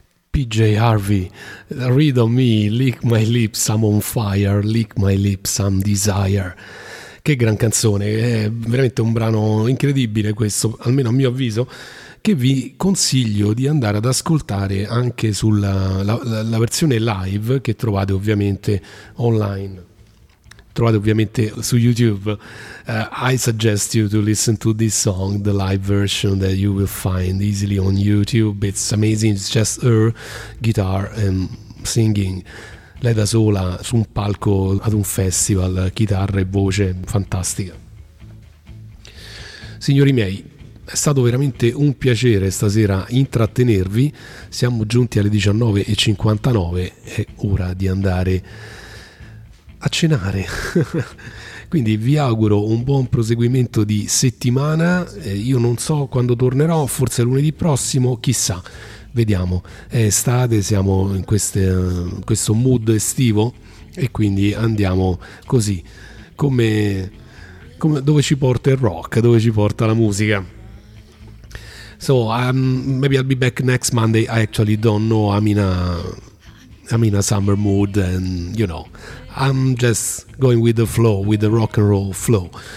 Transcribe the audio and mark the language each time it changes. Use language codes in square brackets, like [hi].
[en] PJ Harvey, Read on Me, Lick My Lips, I'm on Fire, Lick My Lips, I'm Desire. [it] Che gran canzone, è veramente un brano incredibile questo, almeno a mio avviso, che vi consiglio di andare ad ascoltare anche sulla la versione live che trovate ovviamente online. Trovate ovviamente su YouTube. [en] I suggest you to listen to this song, the live version that you will find easily on YouTube. It's amazing, it's just her guitar and singing. [it] Lei da sola su un palco ad un festival, chitarra e voce, fantastica. Signori miei, è stato veramente un piacere stasera intrattenervi. Siamo giunti alle 19:59, è ora di andare a cenare. Quindi vi auguro un buon proseguimento di settimana. Io non so quando tornerò, forse lunedì prossimo, chissà, vediamo. È estate, siamo in questo mood estivo e quindi andiamo così, come dove ci porta il rock, dove ci porta la musica. [en] So maybe I'll be back next Monday. I actually don't know. I'm in a summer mood and you know, I'm just going with the flow, with the rock and roll flow.